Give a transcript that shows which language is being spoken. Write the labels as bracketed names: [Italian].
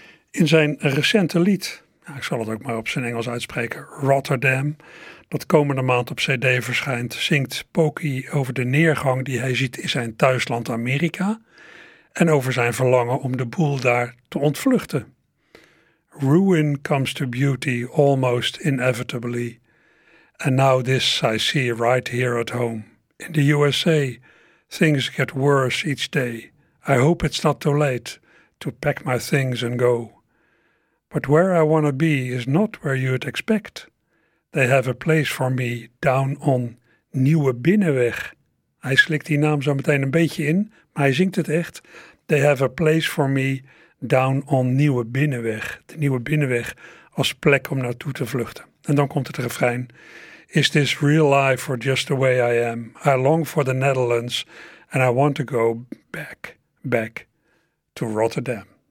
[Dutch] In zijn recente lied, nou, ik zal het ook maar op zijn Engels uitspreken, Rotterdam, dat komende maand op cd verschijnt, zingt Pokey over de neergang die hij ziet in zijn thuisland Amerika en over zijn verlangen om de boel daar te ontvluchten. [English] Ruin comes to beauty almost inevitably. And now this I see right here at home, in the USA. Things get worse each day. I hope it's not too late to pack my things and go. But where I want to be is not where you'd expect. They have a place for me down on Nieuwe Binnenweg. [Dutch] Hij slikt die naam zo meteen een beetje in, maar hij zingt het echt. [English] They have a place for me down on Nieuwe Binnenweg. [Dutch] De Nieuwe Binnenweg als plek om naartoe te vluchten. En dan komt het refrein. [English] Is this real life or just the way I am? I long for the Netherlands and I want to go back, back to Rotterdam.